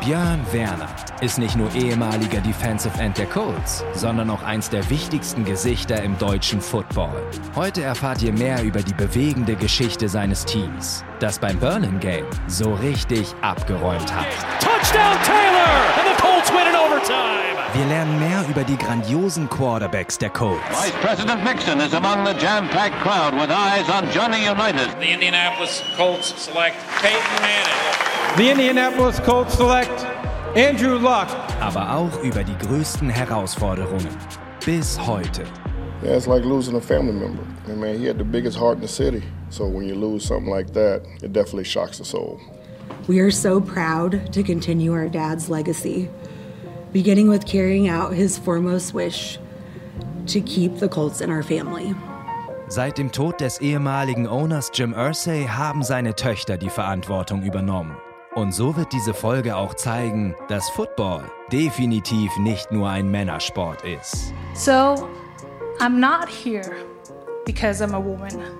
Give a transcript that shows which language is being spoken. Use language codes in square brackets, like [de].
[de] Björn Werner ist nicht nur ehemaliger Defensive End der Colts, sondern auch eins der wichtigsten Gesichter im deutschen Football. Heute erfahrt ihr mehr über die bewegende Geschichte seines Teams, das beim Burlingame so richtig abgeräumt hat. [en] Touchdown Taylor! And the Colts win in overtime! [de] Wir lernen mehr über die grandiosen Quarterbacks der Colts. [en] Vice President Mixon is among the jam-packed crowd with eyes on Johnny Unitas. The Indianapolis Colts select Peyton Manning. The Indianapolis Colts select Andrew Luck. [de] Aber auch über die größten Herausforderungen bis heute. [en] Yeah, it's like losing a family member. I mean, he had the biggest heart in the city. So when you lose something like that, it definitely shocks the soul. We are so proud to continue our dad's legacy, beginning with carrying out his foremost wish to keep the Colts in our family. [de] Seit dem Tod des ehemaligen Owners Jim Irsay haben seine Töchter die Verantwortung übernommen. Und so wird diese Folge auch zeigen, dass Football definitiv nicht nur ein Männersport ist. [en] So, I'm not here because I'm a woman.